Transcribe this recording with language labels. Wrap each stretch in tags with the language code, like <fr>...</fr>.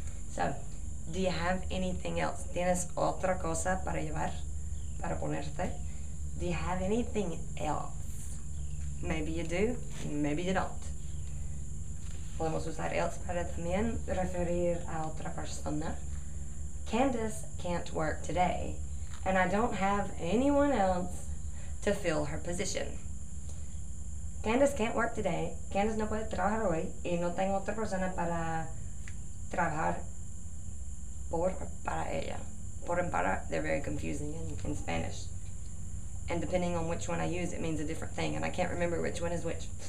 <en>So, do you have anything else?</en> <es>¿Tienes otra cosa para llevar? Para ponerte?</es> <en>Do you have anything else? Maybe you do, maybe you don't.</en> <es>Podemos usar else para también referir a otra persona.</es> <en>Candace can't work today, and I don't have anyone else to fill her position. Candace can't work today.</en> <es>Candace no puede trabajar hoy, y no tengo otra persona para trabajar por para ella. Por en para,</es> <en>they're very confusing in Spanish. And depending on which one I use, it means a different thing, and I can't remember which one is which.</en>